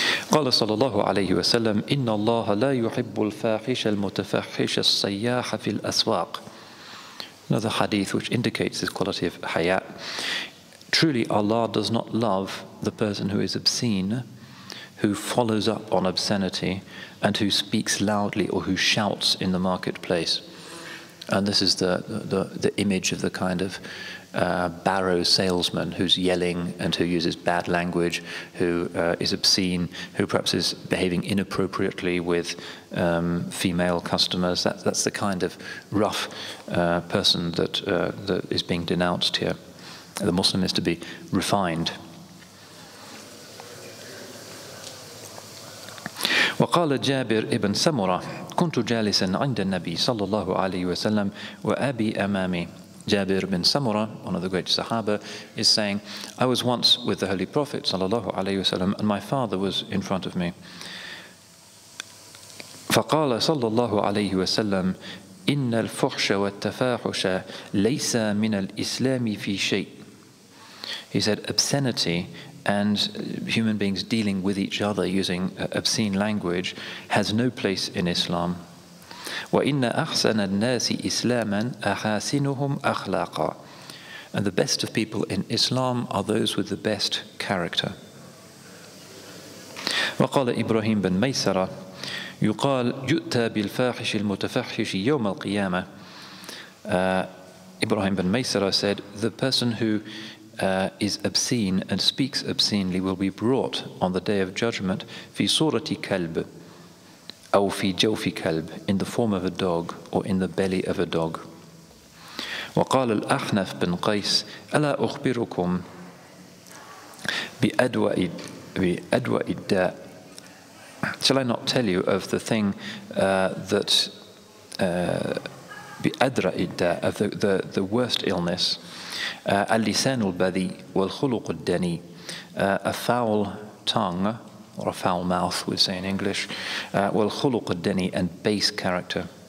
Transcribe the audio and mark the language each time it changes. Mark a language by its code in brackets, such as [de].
[ar] قال صلى الله عليه وسلم إن الله لا يحب الفاحش المتفحش السياح في الأسواق. [en] Another hadith which indicates this quality of haya. Truly Allah does not love the person who is obscene, who follows up on obscenity, and who speaks loudly or who shouts in the marketplace. And this is the image of the kind of barrow salesman who's yelling and who uses bad language, who is obscene, who perhaps is behaving inappropriately with female customers. That's the kind of rough person that is being denounced here. The Muslim is to be refined. [ar] وقال جابر ابن سمرة كنت جالسا عند النبي صلى الله عليه وسلم وأبي أمامي. [en] Jabir bin Samura, one of the great Sahaba, is saying, I was once with the Holy Prophet sallallahu alayhi wa sallam, and my father was in front of me. [ar] فَقَالَ صَلَّى اللَّهُ عَلَيْهِ وَسَلَّمْ إِنَّ الْفُحْشَ وَالتَّفَاحُشَ لَيْسَ مِنَ الْإِسْلَامِ فِي شَيْءٍ. [en] He said, obscenity and human beings dealing with each other using obscene language has no place in Islam. [ar] وَإِنَّ أَحْسَنَ النَّاسِ إِسْلَامًا أَحَاسِنُهُمْ أَخْلَاقًا. [en] And the best of people in Islam are those with the best character. [ar] وَقَالَ إِبْرَاهِيم بن مَيْسَرَ يُقَالْ يُؤْتَى بِالْفَاحِشِ الْمُتَفَحِّشِ يَوْمَ الْقِيَامَةِ. [en] Ibrahim bin Maysara said, the person who is obscene and speaks obscenely will be brought on the Day of Judgment [ar] في صورة كلب أو في جوف كلب, [en] in the form of a dog or in the belly of a dog. [ar] وقال الأحنف بن قيس ألا أخبركم بأدواء الداء. [en] Shall I not tell you of the thing that [ar] بأدرى الداء, [en] of the worst illness, [ar] اللسان البذي والخلق الدني, [en] a foul tongue or a foul mouth, we say in English, [ar] والخلق الدني, [en] and base character.